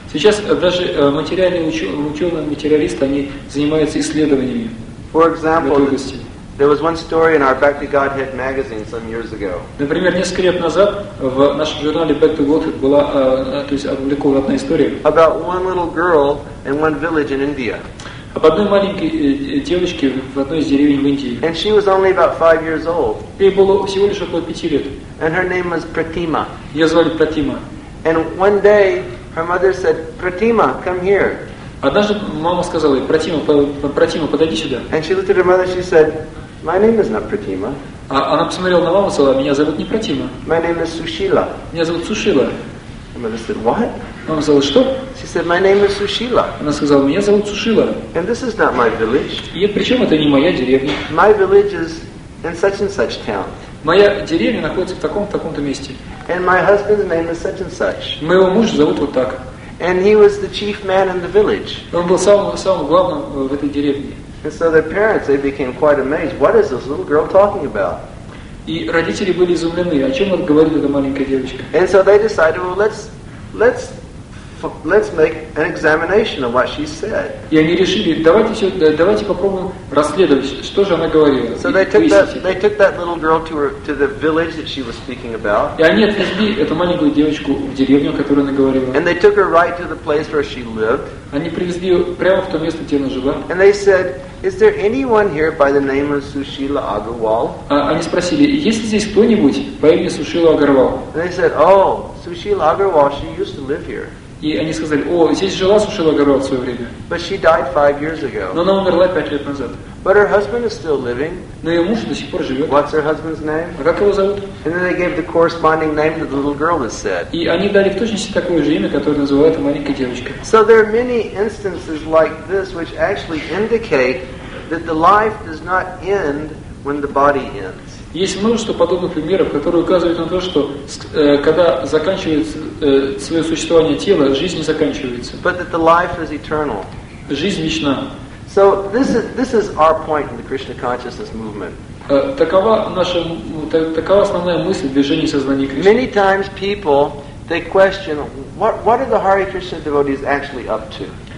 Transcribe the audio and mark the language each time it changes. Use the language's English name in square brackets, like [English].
[Russian] Сейчас даже материальные ученые-материалисты, они занимаются исследованиями. [English] For example, there was one story in our Bhakti Godhead magazine some years ago. [Russian] Например, несколько лет назад в нашем журнале Bhakti Godhead была, то есть опубликована одна история. [English] About one little girl in one village in India. [Russian] Об одной маленькой девочке в одной из деревень в Индии. [English] And she was only about 5 years old. [Russian] Ей было всего лишь около 5 лет. [English] And her name was Pratima. [Russian] Ее звали Пратима. [English] And one day her mother said, "Pratima, come here." [Russian] Однажды мама сказала ей, Пратима, подойди сюда. [English] And she looked at her mother, she said, "My name is not Pratima." [Russian] А она посмотрела на маму и сказала, меня зовут не Пратима. [English] "My name is Sushila." [Russian] Меня зовут Сушила. [English] Her mother said, "What?" [Russian] Мама сказала, что? [English] She said, "My name is Sushila." [Russian] Она сказала, меня зовут Сушила. [English] "And this is not my village." [Russian] И причем это не моя деревня. [English] "My village is in such and such town." [Russian] Моя деревня находится в таком-то месте. [English] "And my husband's name is such and such." [Russian] Моего мужа зовут вот так. [English] And he was the chief man in the village. [Russian] Он был самым главным в этой деревне. [English] And so their parents, they became quite amazed. What is this little girl talking about? [Russian] И родители были изумлены. О чем он говорит, эта маленькая девочка? [English] And so they decided, well, let's make an examination of what she said. [Russian] И они решили, давайте попробуем расследовать, что же она говорила. [English] So they took that little girl to the village that she was speaking about. [Russian] И они отвезли эту маленькую девочку в деревню, о которой она говорила. [English] And they took her right to the place where she lived. [Russian] Они привезли ее прямо в то место, где она жила. [English] And they said, "Is there anyone here by the name of Sushila Agarwal?" [Russian] Они спросили, есть ли здесь кто-нибудь по имени Сушила Агарвал? [English] And they said, "Oh, Sushila Agarwal, she used to live here." [Russian] И они сказали, о, здесь жила Сушила Агарвал в свое время. [English] But she died 5 years ago. [Russian] Но она умерла 5 лет назад. [English] But her husband is still living. [Russian] Но ее муж до сих пор живет. [English] What's her husband's name? [Russian] А как его зовут? [English] And then they gave the corresponding name that the little girl has said. [Russian] И они дали в точности такое же имя, которое называют маленькая девочка. [English] So there are many instances like this which actually indicate that the life does not end when the body ends. [Russian] Есть множество подобных примеров, которые указывают на то, что когда заканчивается свое существование тела, жизнь не заканчивается. [English] But that the life is eternal. [Russian] Жизнь вечна. [English] So this is our point in the Krishna consciousness movement. [Russian] Такова основная мысль движения сознания Кришны. [English] Many times people they question what are the Hare Krishna devotees actually up to.